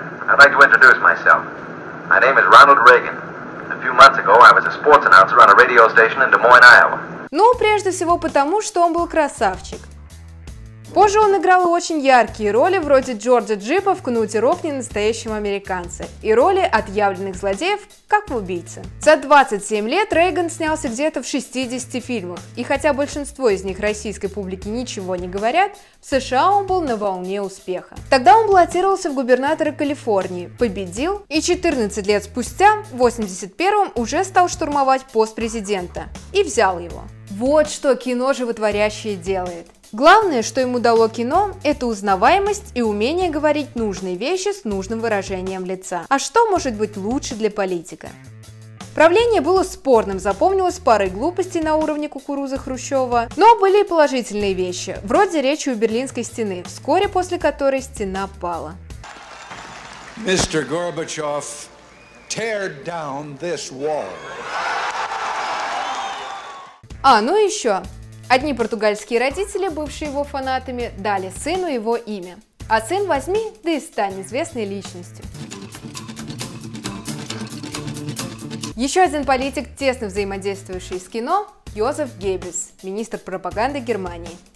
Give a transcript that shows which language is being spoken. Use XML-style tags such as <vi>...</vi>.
<en>I'd like to introduce myself. My name is Ronald Reagan. A few months ago I was a sports announcer on a radio station in Des Moines, Iowa.</en> <ru>Ну, прежде всего потому, что он был красавчик. Позже он играл очень яркие роли вроде Джорджа Джипа в «Кнуте Рок ненастоящем американце» и роли отъявленных злодеев, как в «Убийце». За 27 лет Рейган снялся где-то в 60 фильмах, и хотя большинство из них российской публике ничего не говорят, в США он был на волне успеха. Тогда он баллотировался в губернатора Калифорнии, победил, и 14 лет спустя, в 81-м, уже стал штурмовать пост президента и взял его. Вот что кино животворящее делает. Главное, что ему дало кино, это узнаваемость и умение говорить нужные вещи с нужным выражением лица. А что может быть лучше для политика? Правление было спорным, запомнилось парой глупостей на уровне кукурузы Хрущева. Но были и положительные вещи, вроде речи у Берлинской стены, вскоре после которой стена пала.</ru> <en>Мистер Горбачев, tear down this wall.</en> <ru>А, ну еще. Одни португальские родители, бывшие его фанатами, дали сыну его имя. А сын возьми, да и стань известной личностью. Еще один политик, тесно взаимодействующий с кино, Йозеф Геббельс, министр пропаганды Германии.</ru>